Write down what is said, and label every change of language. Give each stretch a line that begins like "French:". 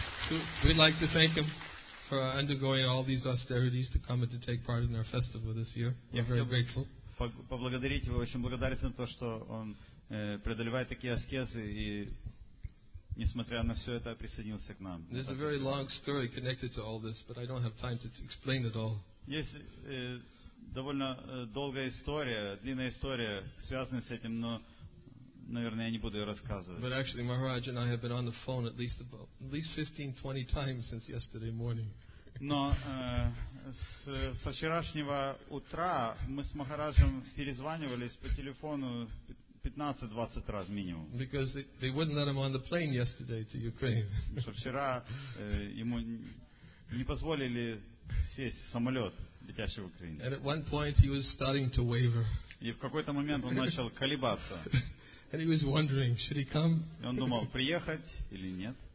English: So we'd like to thank him for undergoing all these austerities to come and to take part in our festival this year. We're very grateful.
Russian: Поблагодарить его, очень благодарен за то, что он преодолевает такие аскезы и, несмотря на все это, присоединился к нам.
English: There's a very long story connected to all this, but I don't have time to explain it all.
Russian: Есть довольно долгая история, длинная история, связанная с этим, но, наверное, я не буду ее рассказывать.
English: But actually, Maharaj and I have been on the phone at least 15-20 times since yesterday morning.
Russian: Но со вчерашнего утра мы с Махараджем перезванивались по телефону 15-20 раз минимум.
English: Because they wouldn't let him on the plane yesterday to Ukraine.
Russian: Что вчера ему не позволили сесть в самолет, летящий в Украину.
English: And at one point he was starting to waver.
Russian: И в какой-то момент он начал колебаться.
English: And he was wondering, should he come?
Russian: И он думал, приехать или нет.